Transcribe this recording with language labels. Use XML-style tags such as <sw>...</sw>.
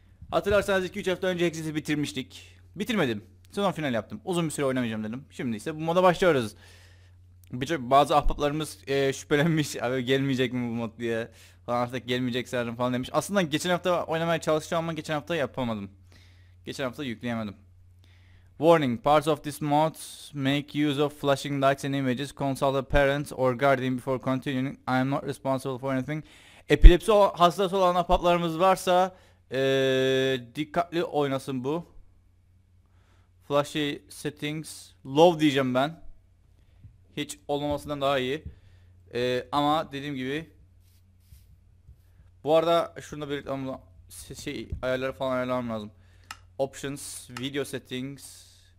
<tr>Hatırlarsanız 2-3 hafta önce Hexis'i bitirmiştik. Bitirmedim. Sonra final yaptım. Uzun bir süre oynamayacağım dedim. Şimdi ise bu moda başlıyoruz. Bazı ahbaplarımız şüphelenmiş. Abi gelmeyecek mi bu mod diye. Falan artık gelmeyecek sanırım falan demiş. Aslında geçen hafta oynamaya çalışacağım ama geçen hafta yapamadım. Geçen hafta yükleyemedim.</tr> <en>Warning, parts of this mod make use of flashing lights and images. Consult a parent or guardian before continuing. I am not responsible for anything.</en> <tr>Epilepsi hastası olan ahbaplarımız varsa dikkatli oynasın bu.</tr> <en>Flashy settings, low</en> <tr>diyeceğim ben. Hiç olmamasından daha iyi. Ama dediğim gibi. Bu arada şunu da belirtmem lazım. Ayarları falan ayarlamam lazım.</tr> <en>Options, video settings.</en>